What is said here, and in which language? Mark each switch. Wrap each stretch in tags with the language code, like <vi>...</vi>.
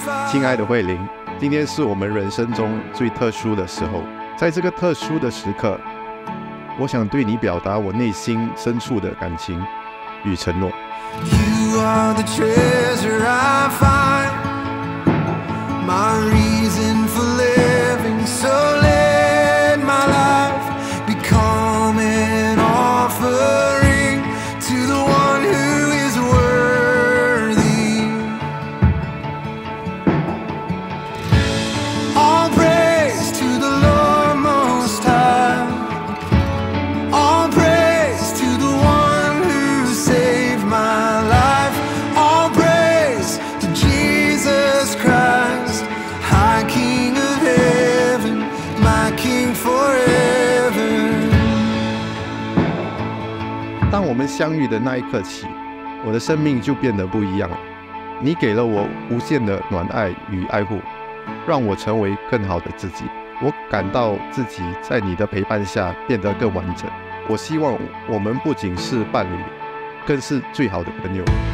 <zh>亲爱的慧琳，今天是我们人生中最特殊的时候，在这个特殊的时刻，我想对你表达我内心深处的感情与承诺。</zh> <en>You are the treasure I find, my reason for living, so let my life become an offering to the one who is worthy. All praise to the Lord Most High, all praise to the one who saved my life, all praise to Jesus Christ, High King of Heaven, my King forever.</en> <zh>当我们相遇的那一刻起，我的生命就变得不一样了。你给了我无限的暖爱与爱护，让我成为更好的自己。我感到自己在你的陪伴下变得更完整。我希望我们不仅是伴侣，更是最好的朋友。</zh>